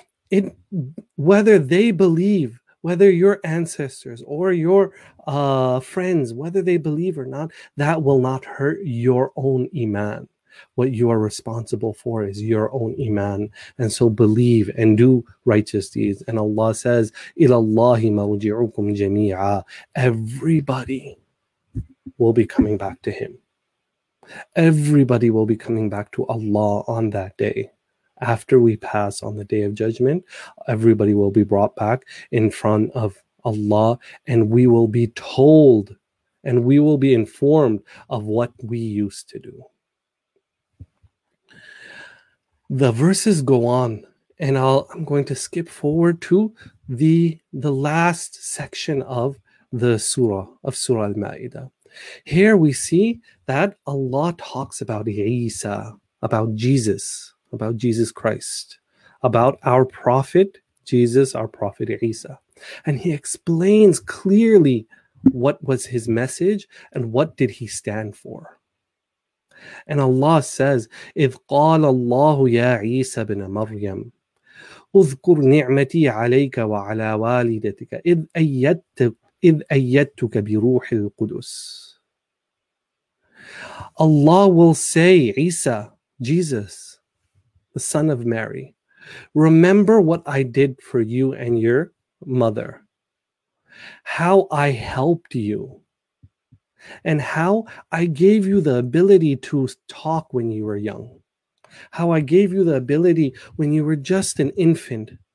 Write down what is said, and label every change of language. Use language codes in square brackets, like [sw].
[en] It, whether they believe, whether your ancestors or your friends, whether they believe or not, that will not hurt your own iman. What you are responsible for is your own iman. And so believe and do righteous deeds. And Allah says, [ar] إِلَى اللَّهِ مَوْجِعُكُمْ جَمِيعًا. [en] Everybody will be coming back to Him. Everybody will be coming back to Allah on that day. After we pass on the Day of Judgment, everybody will be brought back in front of Allah and we will be told and we will be informed of what we used to do. The verses go on and I'm going to skip forward to the last section of the surah, of Surah Al-Ma'idah. Here we see that Allah talks about Isa, about Jesus. About Jesus Christ, about our prophet Jesus, our prophet Isa. And he explains clearly what was his message and what did he stand for. And Allah says, [ar] إِذْ قَالَ اللَّهُ يَا عِيسَى بِنَ مَرْيَمُ اُذْكُرْ نِعْمَتِي عَلَيْكَ وَعَلَى وَالِدَتِكَ إِذْ أَيَّدْتُكَ بِرُوحِ الْقُدُسِ. [en] Allah will say, Isa, Jesus, the son of Mary, remember what I did for you and your mother, how I helped you, and how I gave you the ability to talk when you were young, how I gave you the ability when you were just an infant